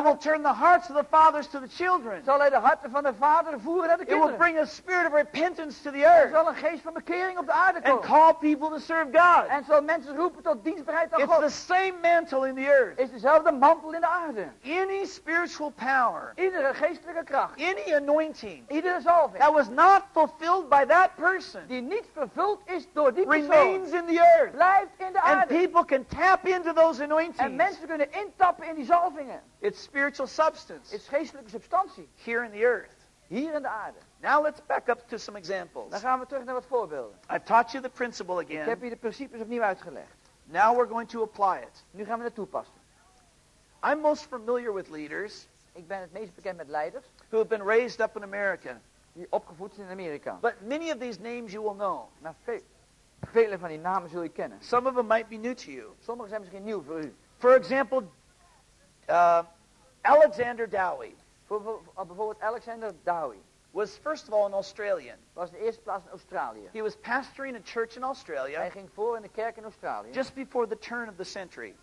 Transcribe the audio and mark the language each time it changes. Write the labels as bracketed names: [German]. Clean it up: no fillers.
[English] it will turn the hearts of the fathers to the children. [Dutch] Zal hij de harten van de vaderen voeren naar de kinderen. [English] It will bring a spirit of repentance to the earth. [Dutch] Er zal een geest van bekering op de aarde komen. [English] And call people to serve God. [Dutch] En zal mensen roepen tot dienstbaarheid aan [English] It's [Dutch] God. [English] It's the same mantle in the earth. [Dutch] Is dezelfde mantel in de aarde. [English] Any spiritual power. [Dutch] Iedere geestelijke kracht. [English] Any anointing. [Dutch] Iedere zalving. [English] That was not fulfilled by that person. [Dutch] Die niet vervuld is door die persoon. [English] Remains in the earth. [Dutch] Blijft in de aarde. [English] And people can tap into those anointings. [Dutch] En mensen kunnen intappen in die zalvingen. [English] It's spiritual substance. [Dutch] Is geestelijke substantie. [English] Here in the earth. [Dutch] Hier in de aarde. [English] Now let's back up to some examples. [Dutch] Dan gaan we terug naar wat voorbeelden. [English] I've taught you the principle again. [Dutch] Ik heb je de principes opnieuw uitgelegd. [English] Now we're going to apply it. [Dutch] Nu gaan we het toepassen. [English] I'm most familiar with leaders. [Dutch] Ik ben het meest bekend met leiders. [English] Who have been raised up in America. [Dutch] Die opgevoed zijn in Amerika. [English] But many of these names you will know. [Dutch] Maar vele van die namen zul je kennen. [English] Some of them might be new to you. [Dutch] Sommige zijn misschien nieuw voor u. [English] For example, Alexander Dowie. [Dutch] Bijvoorbeeld Alexander Dowie. [English] Was first of all an Australian. [Dutch] Was de eerste plaats in Australië. [English] He was pastoring a church in Australia. [Dutch] Hij ging voor in de kerk in Australië. [English] Just before the turn of the century.